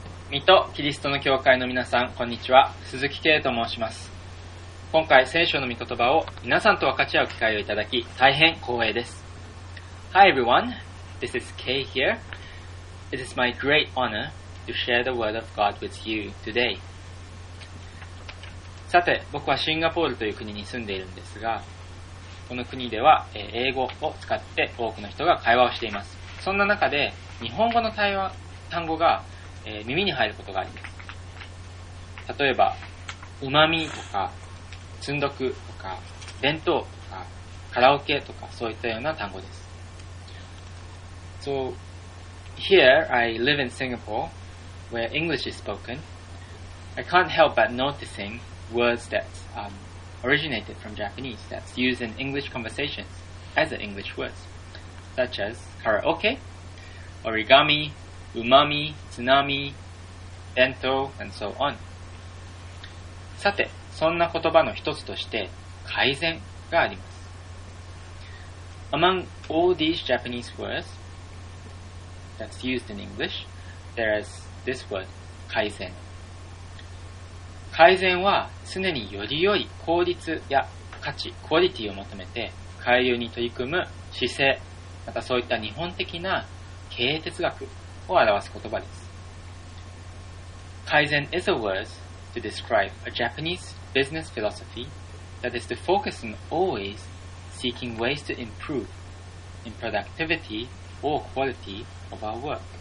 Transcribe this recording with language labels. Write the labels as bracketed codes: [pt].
[ja] 水戸キリストの教会の皆さん、こんにちは。鈴木圭と申します。今回聖書の御言葉を皆さんと分かち合う機会をいただき大変光栄です。 [en] Hi everyone, this is Kay here. It is my great honor to share the word of God with you today. [ja] さて、僕はシンガポールという国に住んでいるんですが、この国では英語を使って多くの人が会話をしています。そんな中で日本語の単語が耳に入ることがあります。例えば、うまみとか、つんどくとか、弁当とか、カラオケとか、そういったような単語です。 [en] So, here I live in Singapore, where English is spoken. I can't help but noticing words that originated from Japanese that's used in English conversations as an English words, such as karaoke, origami,うまみ、つなみ、伝統、and so on. [ja] さて、そんな言葉の一つとして、改善があります。 [en] Among all these Japanese words that's used in English, there is this word, 改善。 [ja] 改善は常により良い効率や価値、クオリティを求めて改良に取り組む姿勢、またそういった日本的な経営哲学、を表す言葉です。 [en] Kaizen is a word to describe a Japanese business philosophy that is to focus on always seeking ways to improve in productivity or quality of our work.